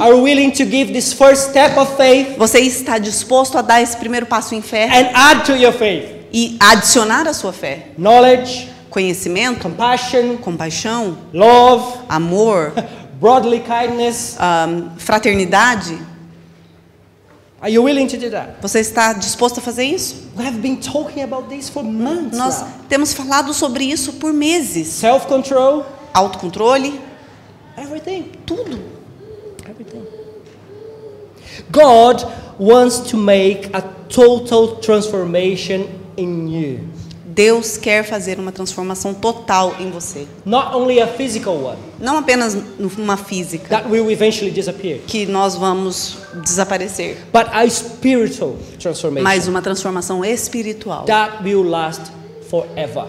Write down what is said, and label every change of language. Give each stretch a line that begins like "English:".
English: Are you willing to give this first step of faith?
Portuguese: Você está disposto a dar esse primeiro passo em fé?
English: And add to your faith.
Portuguese: E adicionar à sua fé?
English: Knowledge,
Portuguese: conhecimento,
English: compassion,
Portuguese: compaixão,
English: love,
Portuguese: amor,
English: brotherly kindness,
Portuguese: fraternidade.
English: Are you willing to do that?
Portuguese: Você está disposto a fazer isso?
English: We have been talking about this for months.
Portuguese: Nós temos falado sobre isso por meses.
English: Self-control,
Portuguese: autocontrole,
English: everything,
Portuguese: tudo.
English: Everything. God wants to make a total transformation in you.
Portuguese: Deus quer fazer uma transformação total em você.
English: Not only a physical one.
Portuguese: Não apenas uma física.
English: That will eventually disappear.
Portuguese: Que nós vamos desaparecer.
English: But a spiritual transformation.
Portuguese: Mas uma transformação espiritual.
English: That will last forever.